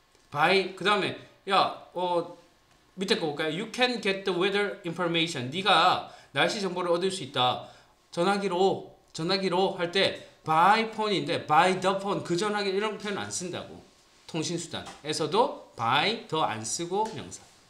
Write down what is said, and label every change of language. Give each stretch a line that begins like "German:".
Korean: by 그다음에 야, 밑에 거 볼까요?
English: You can get the weather information.
Korean: 네가 날씨 정보를 얻을 수 있다. 전화기로 할때 by phone인데
English: by the phone
Korean: 그 전화기 이런 표현 안 쓴다고. 통신수단에서도 by 더안 쓰고 명사.